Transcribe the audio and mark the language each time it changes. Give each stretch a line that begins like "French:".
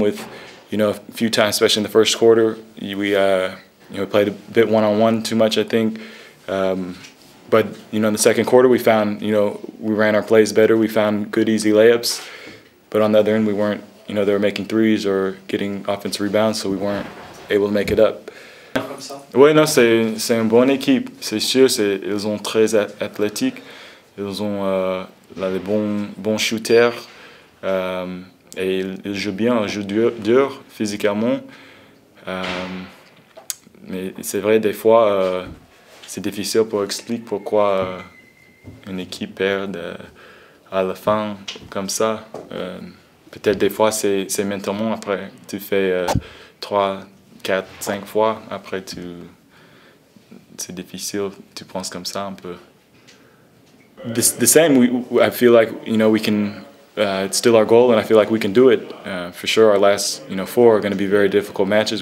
English: With, you know, a few times, especially in the first quarter, we played a bit one-on-one too much, I think. But you know, in the second quarter, we found, you know, we ran our plays better. We found good easy layups. But on the other end, we weren't, you know, they were making threes or getting offensive rebounds, so we weren't able to make it up.
French: Oui, non, c'est une bonne équipe, c'est sûr. Ils sont très athlétiques, ils ont des bons shooters et ils jouent bien, ils jouent dur physiquement. Mais c'est vrai, des fois, c'est difficile pour expliquer pourquoi une équipe perd à la fin comme ça. Peut-être des fois, c'est mentalement après, tu fais 3, 4, 5 fois, après c'est difficile, tu penses comme ça un peu.
English: The same, I feel like, you know, we can, it's still our goal and I feel like we can do it. For sure, our last, you know, 4 are going to be very difficult matches.